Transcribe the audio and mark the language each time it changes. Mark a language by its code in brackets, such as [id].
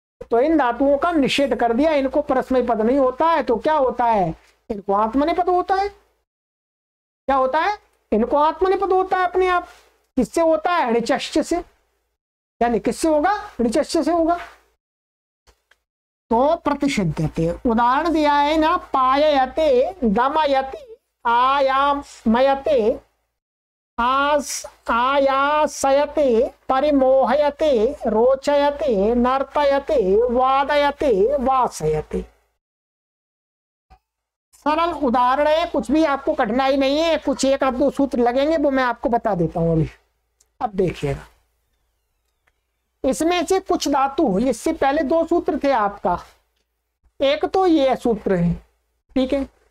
[hi] तो इन धातुओं का निषेध कर दिया, इनको परस्मयी पद नहीं होता है, तो क्या होता है, इनको आत्मनी पद होता है, क्या होता है, इनको आत्मनिपद होता है अपने आप, किससे होता है, अणिचश्च से, यानी किससे होगा, अणिचश्च से होगा, तो प्रतिषिध्यते। उदाहरण दिया है ना, [sa] पाययते दमयति आयामयते आस आयासयते परिमोहयते रोचयते नर्तयते वादयते वासयते। [hi] सरल उदाहरण है, कुछ भी आपको कठिनाई नहीं है, कुछ एक आप दो सूत्र लगेंगे वो मैं आपको बता देता हूं अभी, अब देखिएगा इसमें से कुछ धातु, इससे पहले दो सूत्र थे आपका, एक तो ये सूत्र है, ठीक है,